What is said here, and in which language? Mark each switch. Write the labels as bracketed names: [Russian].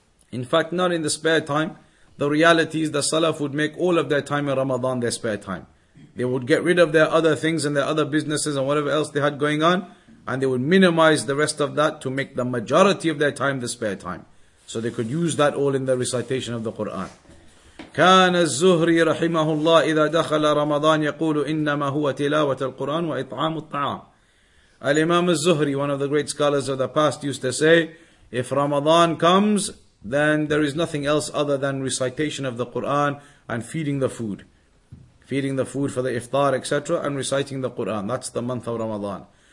[English] In fact, not in the spare time. The reality is the Salaf would make all of their time in Ramadan their spare time. They would get rid of their other things and their other businesses and whatever else they had going on, and they would minimize the rest of that to make the majority of their time the spare time. So they could use that all in the recitation of the Qur'an. [Arabic] كان الزهري رحمه الله إذا دخل رمضان يقول إنما هو تلاوة القرآن وإطعام الطعام. [English] Al-Imam al-Zuhri, one of the great scholars of the past, used to say, if Ramadan comes, then there is nothing else other than recitation of the Qur'an and feeding the food. Feeding the food for the iftar, etc. and reciting the Qur'an. That's the month of Ramadan.